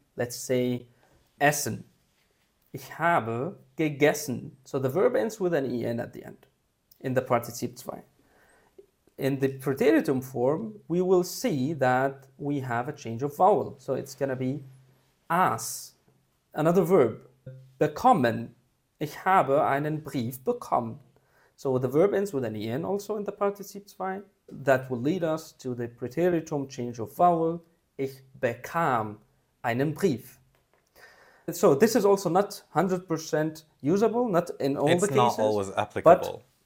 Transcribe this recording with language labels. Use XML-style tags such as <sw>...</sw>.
<en>Let's say essen.</en> <de>Ich habe gegessen.</de> <en>So the verb ends with an en at the end in the Partizip 2. In the preteritum form, we will see that we have a change of vowel. So it's going to be aß. Another verb, bekommen.</en> <de>Ich habe einen Brief bekommen.</de> <en>So the verb ends with an en also in the Partizip 2. That will lead us to the preteritum change of vowel.</en> <de>Ich bekam einen Brief.</de> <en>So this is also not 100% usable, not in all it's the cases. It's not always applicable.</en>